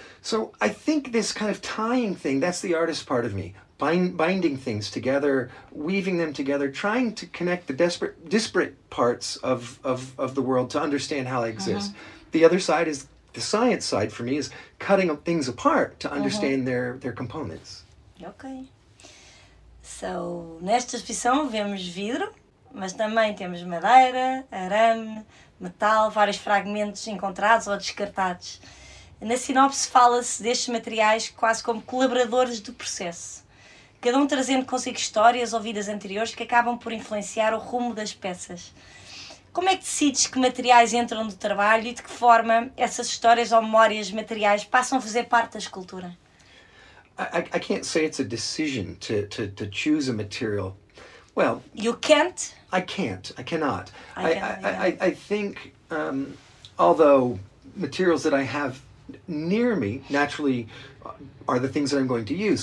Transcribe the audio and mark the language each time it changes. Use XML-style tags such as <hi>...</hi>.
<en>So I think this kind of tying thing, that's the artist part of me, binding things together, weaving them together, trying to connect the disparate parts of the world to understand how I exist. Mm-hmm. The other side is the science side for me, is cutting things apart to understand mm-hmm. their components. Okay. So,</en> <pt>nesta exposição vemos vidro, mas também temos madeira, arame, metal, vários fragmentos encontrados ou descartados. Na sinopse fala-se destes materiais quase como colaboradores do processo, cada um trazendo consigo histórias ou vidas anteriores que acabam por influenciar o rumo das peças. Como é que decides que materiais entram no trabalho e de que forma essas histórias ou memórias materiais passam a fazer parte da escultura?</pt> <en>I can't say it's a decision to choose a material. Well, you can't? I can't. I cannot. I can. I think, although materials that I have near me naturally are the things that I'm going to use.</en>